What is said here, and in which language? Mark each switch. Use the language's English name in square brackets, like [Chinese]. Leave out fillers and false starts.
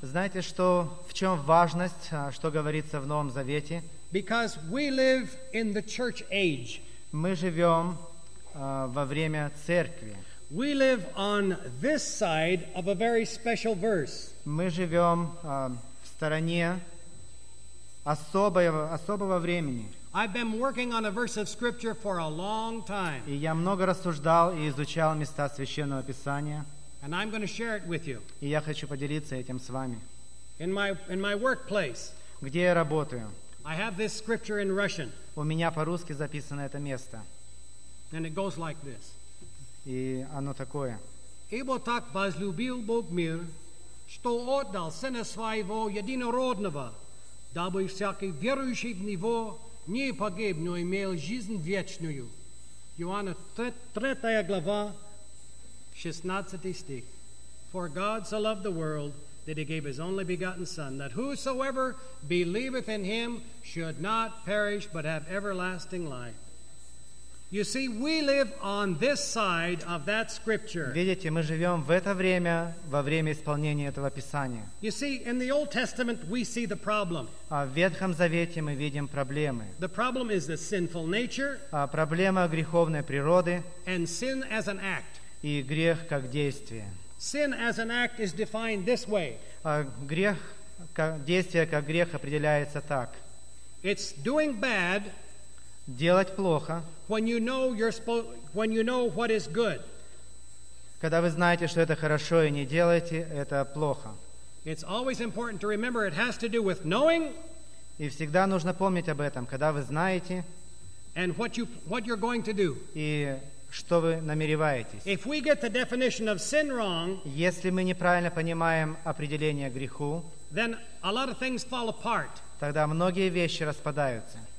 [Russian] Знаете, что в чём важность, что говорится в Новом Завете? [English] Because we live in the church age. [Russian] Мы живём во время церкви. [English] We live on this side of a very special verse. [Russian] Мы живём в стороне особого времени. [English] I've been working on a verse of scripture for a long time. [Russian] И я много рассуждал и изучал места священного писания. [English] And I'm going to share it with you. [Russian] И я хочу поделиться этим с вами. [English] In my workplace. [Russian] Где я работаю? [English] I have this scripture in Russian. [Russian] У меня по-русски записано это место. [English] And it goes like this. [Russian] И оно такое. Ибо так возлюбил Бог мир, что отдал Сына Своего Единородного, дабы всякий верующий в Него не погиб, но имел жизнь вечную. Иоанна 3 глава. 16 стих. [English] For God so loved the world that he gave his only begotten Son, that whosoever believeth in him should not perish, but have everlasting life. You see, we live on this side of that scripture. [Russian] Видите, мы живем в это время, во время исполнения этого Писания. [English] You see, in the Old Testament, we see the problem. [Russian] В Ветхом Завете мы видим проблемы. [English] The problem is the sinful nature. [Russian] Проблема греховной природы. [English] And sin as an act. [Russian] И грех как действие. [English] Sin as an act is defined this way. [Russian] Грех, действие как грех определяется так. [English] It's doing bad. [Russian] Делать плохо. [English] When you know what is good. [Russian] Когда вы знаете, что это хорошо, и не делаете, это плохо. [English] It's always important to remember it has to do with knowing. [Russian] И всегда нужно помнить об этом, когда вы знаете. [English] And what you're going to do. [Russian] И что вы намереваетесь. [English] If we get the definition of sin wrong, [Russian] если мы неправильно понимаем определение греху, [English] then a lot of things fall apart. [Russian] Тогда многие вещи распадаются.